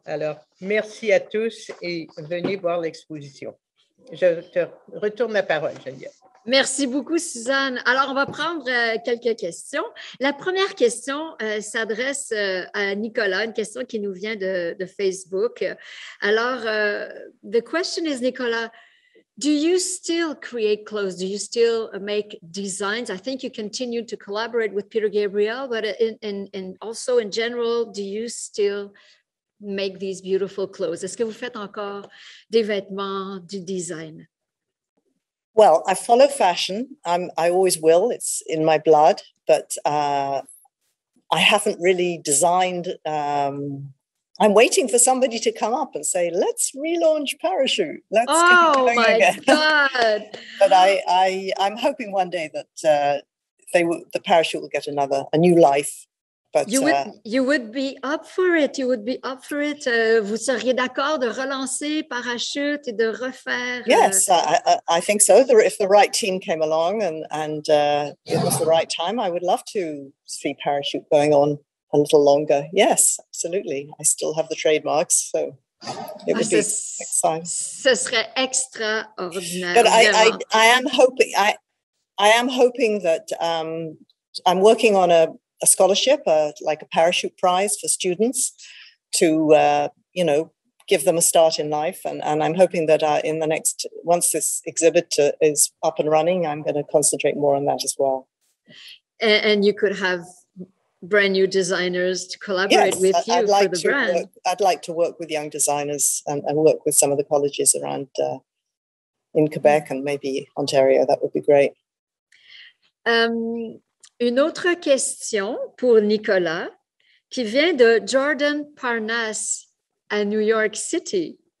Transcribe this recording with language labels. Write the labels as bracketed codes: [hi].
[fr] Alors, merci à tous et venez voir l'exposition. Je te retourne la parole, Geneviève. Merci beaucoup, Suzanne. Alors, on va prendre quelques questions. La première question s'adresse à Nicola, une question qui nous vient de Facebook. Alors, [en] the question is, Nicola, do you still create clothes? Do you still make designs? I think you continue to collaborate with Peter Gabriel, but in also in general, do you still make these beautiful clothes? [fr] Est-ce que vous faites encore des vêtements, du design? [en] Well, I follow fashion. I always will. It's in my blood. But I haven't really designed. I'm waiting for somebody to come up and say, let's relaunch Parachute. Let's keep going again. Oh, my God. But I'm hoping one day that the Parachute will get a new life. But, you would be up for it. You would be up for it. [fr] Vous seriez d'accord de relancer Parachute et de refaire? [en] Yes, I think so. If the right team came along and it was the right time, I would love to see Parachute going on a little longer. Yes, absolutely. I still have the trademarks, so it would be exciting. [fr] Ce serait extraordinaire. [en] But I am hoping that I'm working on a scholarship, like a parachute prize for students to, give them a start in life. And I'm hoping that once this exhibit is up and running, I'm going to concentrate more on that as well. And you could have brand new designers to collaborate I'd like to work with young designers and work with some of the colleges around in Quebec and maybe Ontario. That would be great. [fr] Une autre question pour Nicola qui vient de Jordan Parnasse à New York City.